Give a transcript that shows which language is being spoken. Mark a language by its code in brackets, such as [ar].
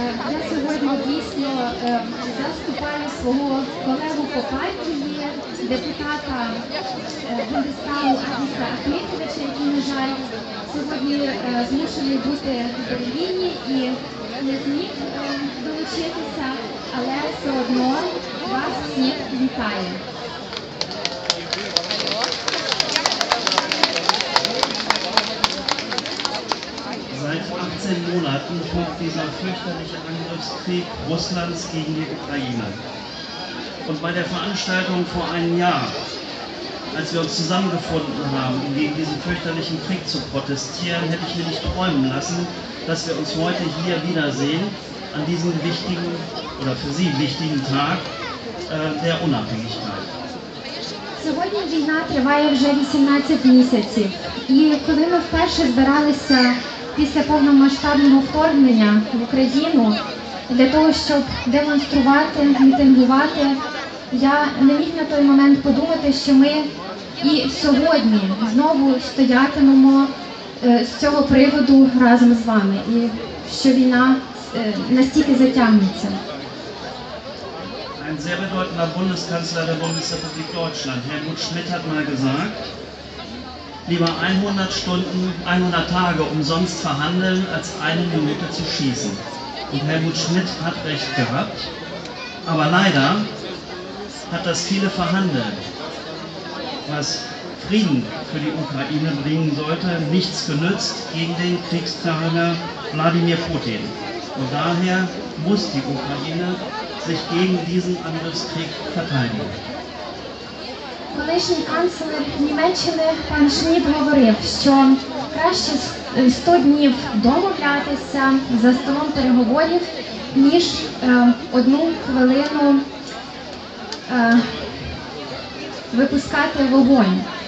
[uk] Я сьогодні дійсно заступаю свого колегу по партії, депутата Бундестагу Аліша Ахметовича, який, на жаль, сьогодні змушений бути в Берліні і не зміг долучитися, але все одно вас всіх вітаю. [de] Seit 18 Monaten tobt dieser fürchterliche Angriffskrieg Russlands gegen die Ukraine. Und bei der Veranstaltung vor einem Jahr, als wir uns zusammengefunden haben, um gegen diesen fürchterlichen Krieg zu protestieren, hätte ich mir nicht träumen lassen, dass wir uns heute hier wiedersehen, an diesem wichtigen oder für Sie wichtigen Tag der Unabhängigkeit. [uk] Сьогодні війна триває вже 18 місяців. І коли ми вперше збиралися після повномасштабного вторгнення в Україну для того, щоб демонструвати, мітингувати, я не міг на той момент подумати, що ми і сьогодні знову стоятимемо з цього приводу разом з вами, і що війна настільки затягнеться. [de] Ein sehr bedeutender Bundeskanzler der Bundesrepublik Deutschland, Helmut Schmidt, hat mal gesagt, lieber 100 Stunden, 100 Tage umsonst verhandeln, als eine Minute zu schießen. Und Helmut Schmidt hat recht gehabt, aber leider hat das viele Verhandeln, was Frieden für die Ukraine bringen sollte, nichts genützt gegen den Kriegsverhandler Wladimir Putin. Und daher muss die Ukraine sich gegen diesen Angriffskrieg verteidigen. [uk] Колишній канцлер Німеччини пан Шмід говорив, що краще 100 днів домовлятися за столом переговорів, ніж одну хвилину випускати вогонь.